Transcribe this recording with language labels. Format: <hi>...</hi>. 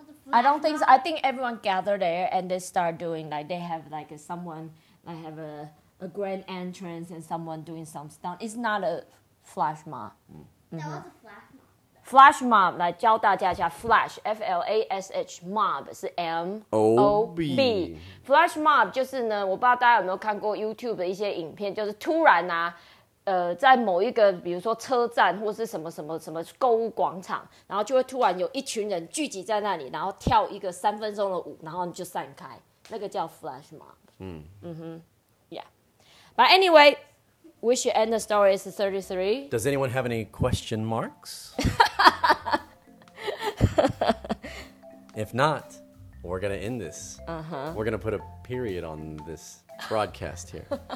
<en>I don't think so. I think everyone gathered there and they start doing like they have like someone like have a grand entrance and someone doing some stunt. It's not a flash mob. No, it's a flash mob.</en> <zh>Flash mob 来教大家一下 flash F L A S H mob 是 M O B flash mob 就是呢，我不知道大家有没有看过 YouTube 的一些影片，就是突然啊，在某一个比如说车站或是什么什么什么购物广场，然后就会突然有一群人聚集在那里，然后跳一个3分钟的舞，然后你就散开，那个叫 flash mob。</zh> <en>But anyway. We should end the story as 33. Does anyone have any question marks? If not, we're going to end this. We're going to put a period on this broadcast here.</en>